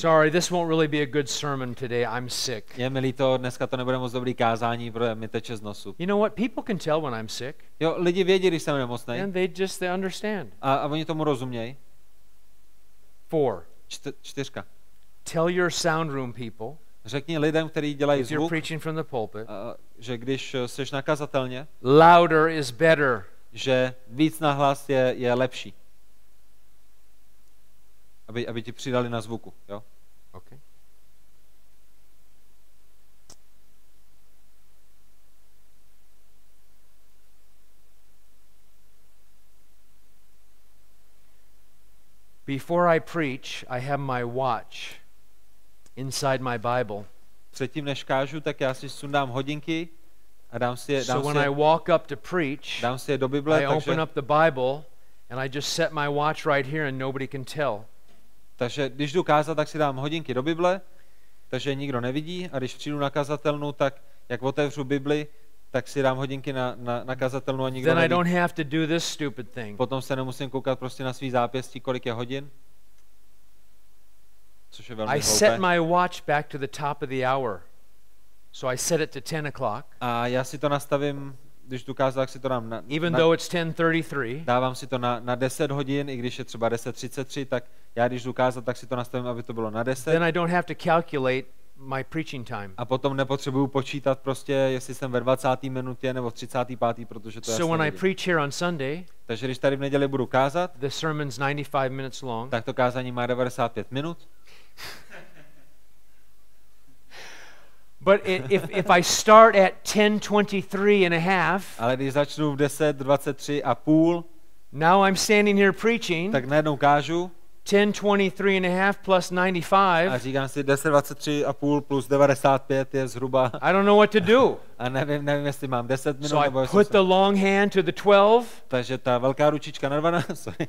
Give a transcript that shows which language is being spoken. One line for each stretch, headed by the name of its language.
English: Sorry, this won't really be a good sermon today. I'm sick.
Czech: Je mi líto, dneska to nebude moc dobrý kázání, protože mi teče z nosu.
English: You know what? People can tell when I'm sick.
Czech: Jo, lidi vědí, když jsem nemocný.
English: And they understand.
Czech: A oni tomu rozumějí.
English: Four.
Czech: Čtyřka.
English: Tell your sound room people.
Czech: Řekni lidem, kteří dělají zvuk,
English: preaching from the pulpit,
Czech: že když seš na kazatelně,
English: louder is better,
Czech: že víc na hlas je lepší, aby ti přidali na zvuku, jo?
English: Okay. Before I preach, I have my watch inside my Bible.
Czech: Předtím než kážu, tak já si sundám hodinky a dám si je.
English: So when I walk up to preach,
Czech: dám si je do Bible,
English: I open up the Bible and I just set my watch right here and nobody can tell.
Czech: Takže když jdu kázat, tak si dám hodinky do Bible, takže nikdo nevidí, a když přijdu na kazatelnu, tak jak otevřu Bibli, tak si dám hodinky na kazatelnu a nikdo
English: then
Czech: neví.
English: I don't have to do this stupid thing.
Czech: Potom se nemusím koukat prostě na svý zápěstí, kolik je hodin.
English: I set my watch back to the top of the hour. So I set it to 10 o'clock.
Czech: A já si to nastavím, když jdu kázat, tak si to dám
English: even though it's 10:33.
Czech: Dávám si to na 10 hodin, i když je třeba 10:33, tak já když jdu kázat, tak si to nastavím, aby to bylo na 10.
English: Then I don't have to calculate my preaching time.
Czech: A potom nepotřebuju počítat prostě, jestli jsem ve 20. minutě nebo v 35., protože to je.
English: So when I preach here on Sunday,
Czech: takže když tady v neděli budu kázat,
English: the sermon's 95 minutes long.
Czech: Tak to kázání má 95 minut.
English: But if I start at 10:23 and a half,
Czech: ale když začnu v 10:23 a půl,
English: now I'm standing here preaching.
Czech: Tak najednou kážu.
English: 10:23 and a half plus 95.
Czech: A říkám si 10:23 a půl plus 95 je zhruba.
English: I don't know what to do.
Czech: A nevím, jestli mám 10 minut
English: so
Czech: nebo jestli.
English: So I put the long hand to the 12.
Czech: Takže ta velká ručička na 12.